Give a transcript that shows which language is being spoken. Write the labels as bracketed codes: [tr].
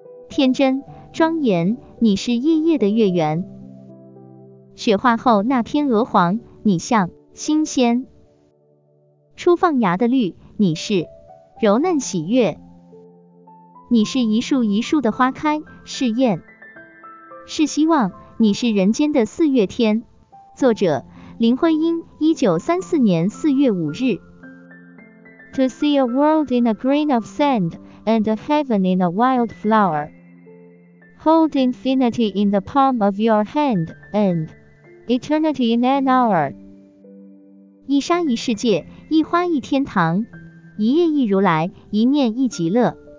[zh] 天真庄严，你是夜夜的月圆，雪化后那天鹅黄，你像新鲜初放芽的绿，你是柔嫩喜悦，你是一树一树的花开，是艳是希望，你是人间的四月天。作者林徽因，1934年4月5日。 [en] To see a world in a grain of sand and a heaven in a wild flower, hold infinity in the palm of your hand and eternity in an hour. [zh] 一沙一世界，一花一天堂，一叶一如来，一念一极乐。